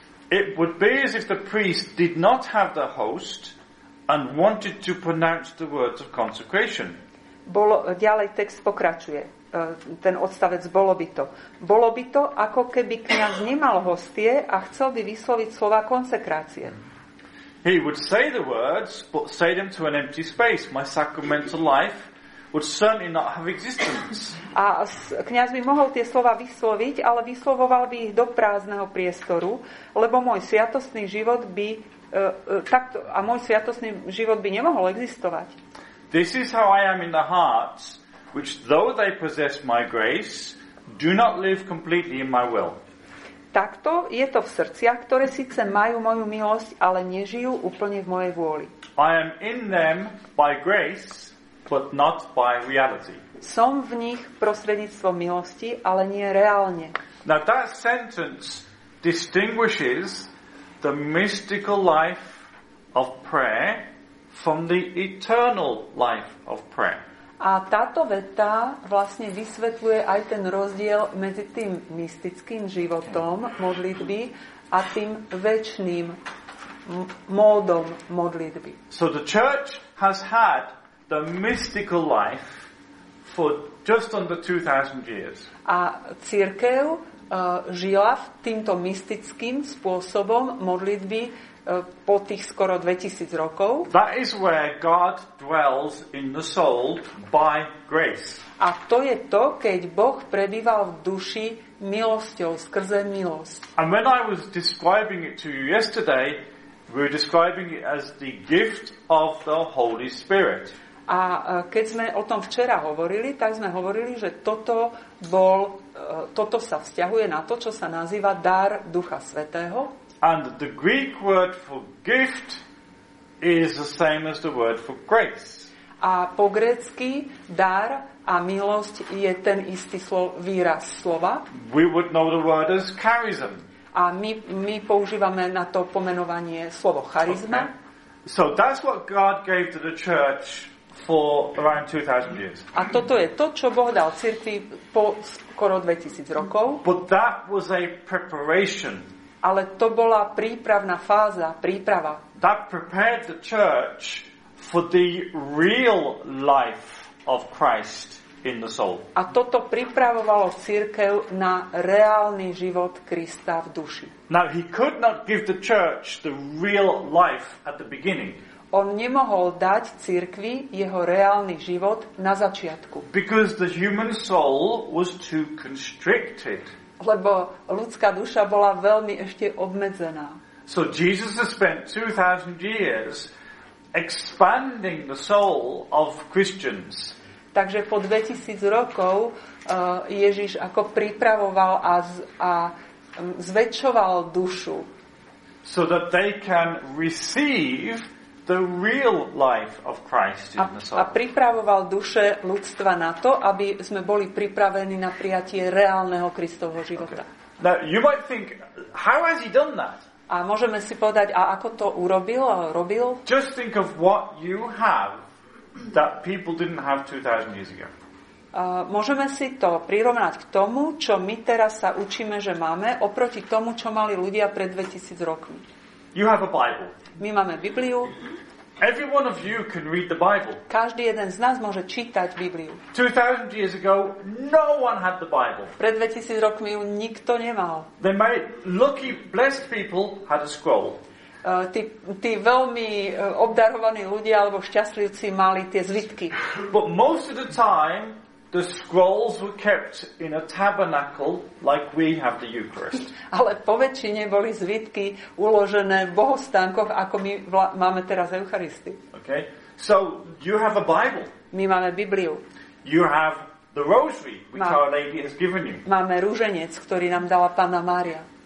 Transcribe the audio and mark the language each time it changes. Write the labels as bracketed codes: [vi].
[en] It would be as if the priest did not have the host and wanted to pronounce the words of consecration. [sk] Ďalej text pokračuje. Ten odstavec, bolo by to, ako keby kňaz nemal hostie a chcel by vysloviť slova konsekrácie. [en] He would say the words, but say them to an empty space. My sacramental life would certainly not have existence. [sk] A kňaz by mohol tie slova vysloviť, ale vyslovoval by ich do prázdneho priestoru, lebo môj sviatostný život by nemohol existovať. [en] This is how I am in the heart, which though they possess my grace, do not live completely in my will. [sk] Takto je to v srdciach, ktoré síce majú moju milosť, ale nežijú úplne v mojej vôli. [en] I am in them by grace, but not by reality. [sk] Som v nich prostredníctvom milosti, ale nie reálne. [en] Now that sentence distinguishes the mystical life of prayer from the eternal life of prayer. [sk] A táto veta vlastne vysvetľuje aj ten rozdiel medzi tým mystickým životom modlitby a tým večným módom modlitby. [en] So the church has had the mystical life for just under 2000 years. [sk] A cirkev žila týmto mystickým spôsobom modlitby po tých skoro 2000 rokov. [en] That is where God dwells in the soul by grace. [sk] A to je to, keď Boh prebýval v duši milosťou, skrze milosť. [en] And when I was describing it to you yesterday, we were describing it as the gift of the Holy Spirit. [sk] A keď sme o tom včera hovorili, tak sme hovorili, že toto sa vzťahuje na to, čo sa nazýva dar Ducha Svätého. [en] And the Greek word for gift is the same as the word for grace. [sk] A po grécky dar a milosť je ten istý výraz slova. [en] We would know the word as charism. [sk] A my používame na to pomenovanie slovo charizma. [en] Okay. So that's what God gave to the church for around 2000 years. [sk] A toto je to, čo Boh dal cirkvi po skoro 2000 rokov. [en] But that was a preparation. [sk] Ale to bola prípravná fáza, príprava. [en] That prepared the church for the real life of Christ in the soul. [sk] A toto pripravovalo cirkev na reálny život Krista v duši. [en] Now he could not give the church the real life at the beginning. [sk] On nemohol dať cirkvi jeho reálny život na začiatku. [en] Because the human soul was too constricted. [sk] Lebo ľudská duša bola veľmi ešte obmedzená. [en] So Jesus has spent 2000 years expanding the soul of Christians. [sk] Takže po 2000 rokov Ježiš ako pripravoval a zväčšoval dušu. [en] So that they can receive the real life of Christ in the soul. [sk] A pripravoval duše ľudstva na to, aby sme boli pripravení na prijatie reálneho Kristovho života. [en] Okay. Now you might think, how has he done that? [sk] A môžeme si povedať, a ako to urobil a robil? [en] Just think of what you have that people didn't have 2000 years ago. [sk] Môžeme si to prirovnať k tomu, čo my teraz sa učíme, že máme, oproti tomu, čo mali ľudia pred 2000 rokmi. [en] You have a Bible. [sk] My máme Bibliu. [en] Every one of you can read the Bible. [sk] Každý jeden z nás môže čítať Bibliu. [en] 2000 years ago, no one had the Bible. [sk] Pred 2000 rokmi ju nikto nemal. [en] They might lucky blessed people had a scroll. [sk] Tí veľmi obdarovaní ľudia alebo šťastlivci mali tie zvitky. [en] But most of the time the scrolls were kept in a tabernacle like we have the Eucharist. [sk] Ale po väčšine boli zvitky uložené v bohostánkoch, ako my máme teraz Eucharistiu. [en] Okay. So you have a Bible. [sk] My máme Bibliu. [en] You have the rosary which Our Lady has given you. [sk] Máme rúženec, ktorý nám dala Panna Mária.